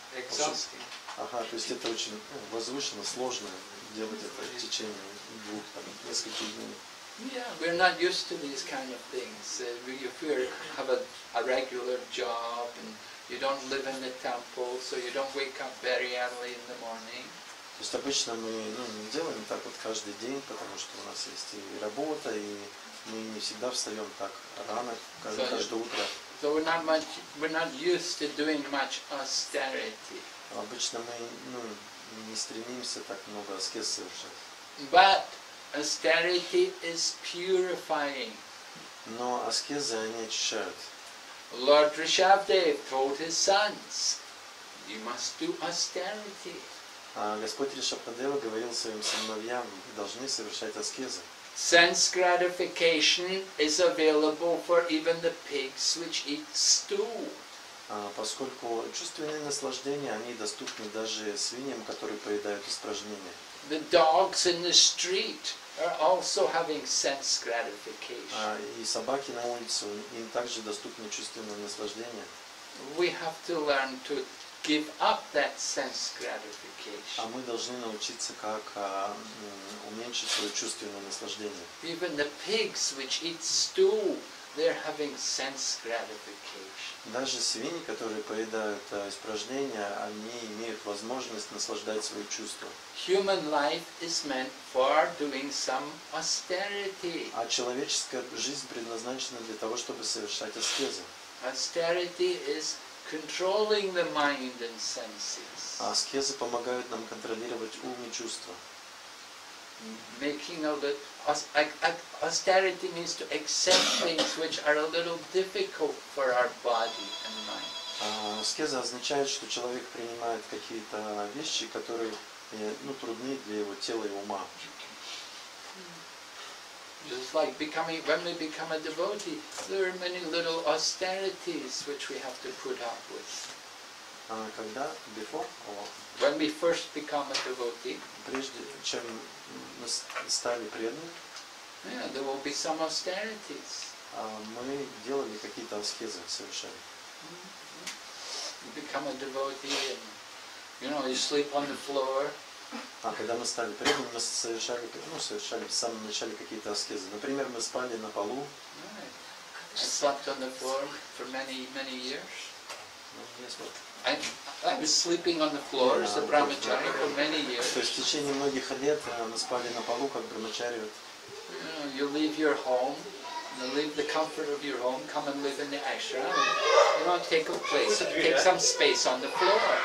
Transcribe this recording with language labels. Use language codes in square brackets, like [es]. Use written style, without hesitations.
[ru] То есть это очень возвышенно, сложно делать это в течение двух, там, нескольких дней. [en] Yeah, we're not used to these kind of things. If we have a regular job and you don't live in the temple, so you don't wake up very early in the morning. [ru] То есть обычно мы, ну, не делаем так вот каждый день, потому что у нас есть и работа, и мы не всегда встаем так рано, каждое утро. [en] So we're not used to doing much austerity. [ru] Обычно мы, ну, не стремимся так много аскез совершать. [en] But austerity is purifying. [ru] Но аскезы, они очищают. [en] Lord Rishabdev told his sons, you must do austerity. [ru] Господь Ришабхадев говорил своим сыновьям, вы должны совершать аскезы. [en] Sense gratification is available for even the pigs which eat stool. [ru] Поскольку чувственные наслаждения, они доступны даже свиньям, которые поедают испражнения. [en] The dogs in the street are also having sense gratification. [ru] И собаки на улице, им также доступны чувственные наслаждения. [en] We have to learn to give up that sense gratification. [ru] А мы должны научиться, как уменьшить свое чувственное наслаждение. [en] Even the pigs which eat stool, they're having sense gratification. [ru] Даже свиньи, которые поедают испражнения, они имеют возможность наслаждать свои чувства. [en] Human life is meant for doing some austerity. [ru] А человеческая жизнь предназначена для того, чтобы совершать аскезы. [en] Austerity is controlling the mind and senses. [ru] Аскезы помогают нам контролировать ум и чувства. [en] Making a little austerity means to accept things which are a little difficult for our body and mind. [ru] Аскеза означает, что человек принимает какие-то вещи, которые, ну, трудны для его тела и ума. [en] Just like when we become a devotee, there are many little austerities which we have to put up with. [ru] Когда? [en] Before? When we first become a devotee. [ru] Прежде чем мы стали преданными. [en] Yeah, there will be some austerities. [ru] Мы делали какие-то аскезы совершали. [en] Mm-hmm. You become a devotee and, you know, you sleep on the floor. [ru] Когда мы стали преданными, мы совершали, ну, совершали в самом начале какие-то аскезы. Например, мы спали на полу. [en] Right. I slept on the floor for many, many years. I was sleeping on the floor as a brahmachari for many years. [ru] То есть в течение многих лет мы спали на полу как брахмачари. [en] You leave your home. Leave the comfort of your home, come and live in the ashram. You know, take a place, take some space on the floor.